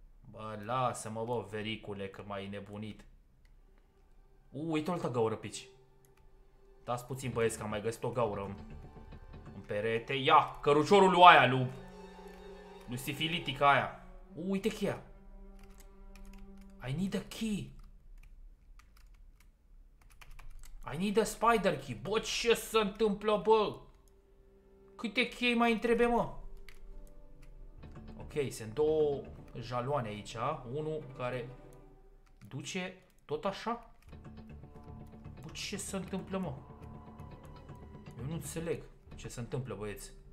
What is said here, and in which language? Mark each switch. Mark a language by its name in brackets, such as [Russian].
[Romanian] Bă, lasă-mă, bă, vericule, că m-ai nebunit. Uite o altă gaură pe aici. Dați puțin, băieți, că am mai găsit o gaură în perete. Ia, căruciorul lui aia, lui sifilitica aia. Uite cheia. [English] I need a key. I need a spider key. [Romanian] Bă, ce se întâmplă, bă? Câte chei mai întrebe, mă? Ok, sunt două jaloane aici. Unul care duce tot așa. Bă, ce se întâmplă, mă? Eu nu înțeleg ce se întâmplă, băieți.